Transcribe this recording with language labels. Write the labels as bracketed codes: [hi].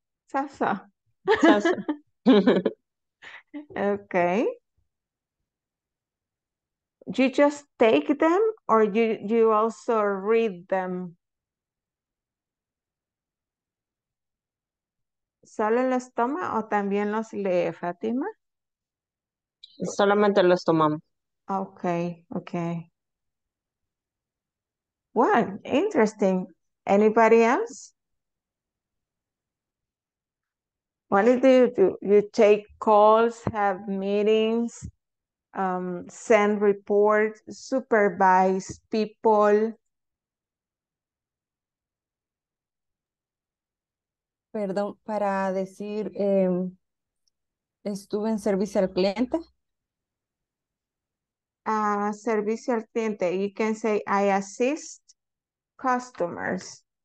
[en] Sasa. Okay. You just take them or you also read them? [es] ¿Solo los toma o también los lee, Fátima? Solamente los tomamos. [en] Okay. Wow, interesting. Anybody else? What do? You take calls, have meetings, send reports, supervise people. [es] Perdón, para decir, estuve en servicio al cliente. Servicio al cliente. [en] You can say, I assist customers.